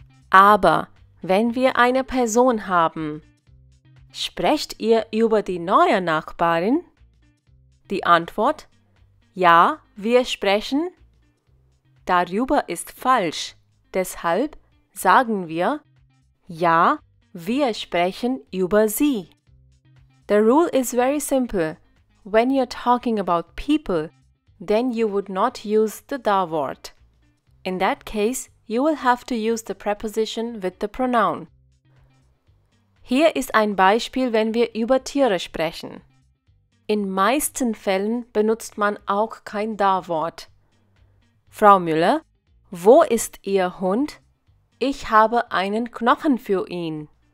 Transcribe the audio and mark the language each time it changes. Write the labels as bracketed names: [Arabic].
[German] Aber wenn wir eine Person haben, sprecht ihr über die neue Nachbarin? Die Antwort? Ja, wir sprechen. Darüber ist falsch. Deshalb sagen wir, ja, wir sprechen über sie. [English] The rule is very simple. When you're talking about people, then you would not use the da word. In that case, you will have to use the preposition with the pronoun. [German] Hier ist ein Beispiel, wenn wir über Tiere sprechen. In meisten Fällen benutzt man auch kein Da-Wort. Frau Müller, wo ist Ihr Hund? Ich habe einen Knochen für ihn.